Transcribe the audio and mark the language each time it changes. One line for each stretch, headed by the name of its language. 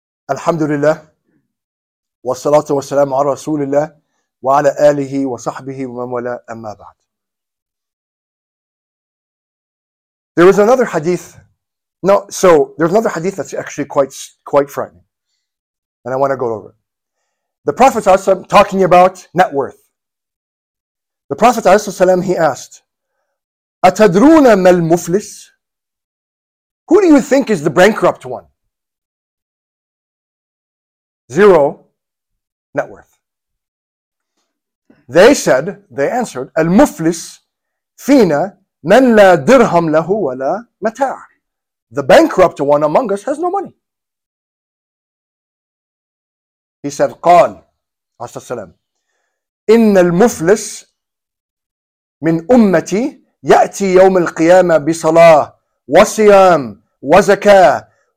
Arabic: الحمد لله والصلاة والسلام على رسول الله وعلى آله وصحبه ومن والاه أما بعد.
English: There was another hadith. No, so there's another hadith that's actually quite frightening, and I want to go over it. The Prophet ﷺ talking about net worth. The Prophet ﷺ, he asked,
Arabic: أتدرون ما المفلس?
English: Who do you think is the bankrupt one? Zero net worth. They said, they answered,
Arabic: المفلس فينا من لا درهم له ولا متاع.
English: The bankrupt one among us has no money. He said,
Arabic: قال, عليه السلام, إن المفلس من أمتي يأتي يوم القيامة بصلاة وصيام وزكاة